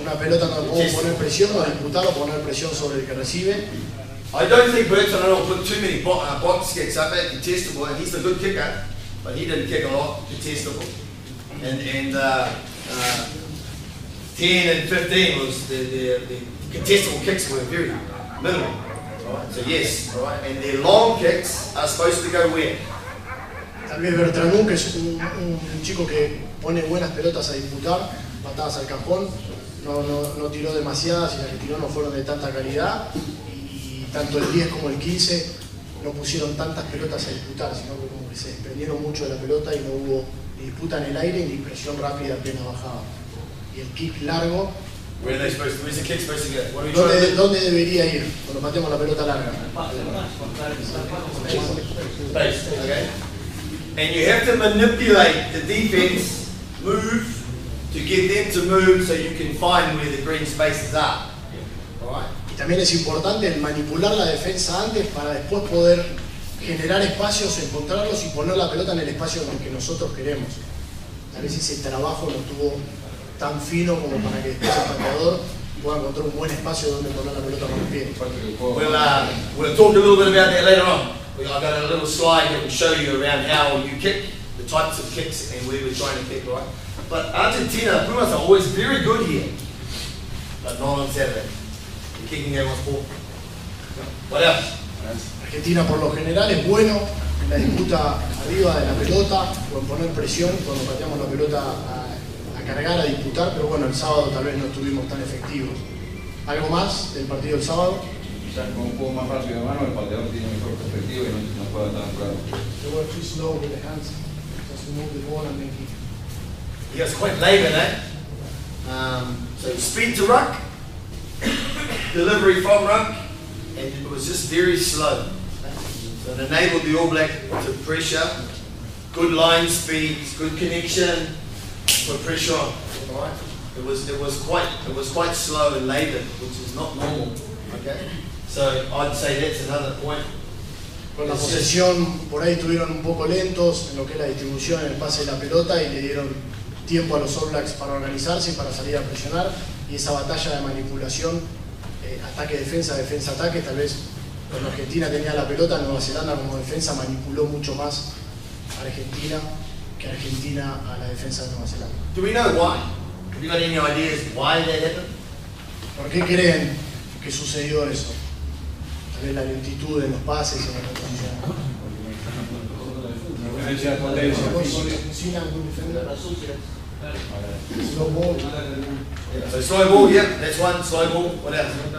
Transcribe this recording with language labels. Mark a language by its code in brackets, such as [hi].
[es] Una pelota no puede poner presión, o disputar o poner presión sobre el que recibe. [en] I don't think Bertrand will put too many box kicks up at contestable, and he's a good kicker, but he didn't kick a lot contestable. And 10 and 15 was the contestable kicks were very minimal. So yes, right. And their long kicks are supposed to go where? [es] Tal vez Bertrand, que es un chico que pone buenas pelotas a disputar, patadas al cajón, no tiró demasiadas y las que tiró no fueron de tanta calidad. Y tanto el 10 como el 15 no pusieron tantas pelotas a disputar, sino que como que se desprendieron mucho de la pelota y no hubo ni disputa en el aire ni presión rápida apenas bajaba. Y el kick largo. [en] Where are they supposed to, where's the kick supposed to get? What are you trying to do? [es] ¿Dónde debería ir cuando matemos la pelota larga? [en] Okay. And you have to manipulate the defense, move, to get them to move so you can find where the green spaces are. Alright. [es] Y también es importante manipular la defensa antes para después poder generar espacios, encontrarlos y poner la pelota en el espacio que nosotros queremos. A veces el trabajo lo tuvo tan fino como para que después el marcador pueda encontrar un buen espacio donde poner la pelota con el pie. [en] We'll talk a little bit about that later on. I've got a little slide that will show you around how you kick, the types of kicks, and where we're trying to kick, right? But Argentina, Pumas are always very good here, but not on Saturday. You're kicking them on sport. What else? [es] Argentina, por lo general, es bueno en la disputa arriba de la pelota o en poner presión cuando pateamos la pelota cargar, a disputar, pero bueno, el sábado tal vez no estuvimos tan efectivos. ¿Algo más del partido del sábado? quizás con un poco más rápido de mano, el pateador tiene mejor perspectiva y no puede estar tan claro. [en] They were too slow with the hands, just to move the ball and make it. He was quite late in that. So speed to ruck, delivery from ruck, and it was just very slow. So it enabled the All Black to pressure, good line speed, good connection, put pressure on. It was quite slow and labored, which is not normal. Okay. So I'd say that's another point. [es] Con la posesión por ahí estuvieron un poco lentos en lo que es la distribución, en el pase de la pelota y le dieron tiempo a los All Blacks para organizarse y para salir a presionar, y esa batalla de manipulación, ataque-defensa, defensa-ataque, tal vez cuando Argentina tenía la pelota, Nueva Zelanda como defensa manipuló mucho más a Argentina que Argentina a la defensa de Nueva Zelanda. [en] Do we know why? Have you got any ideas why that happened? [es] ¿Por qué creen que sucedió eso? Tal vez la lentitud en los pases o la retención. [en] So slow ball, yeah, that's one, slow ball, what else?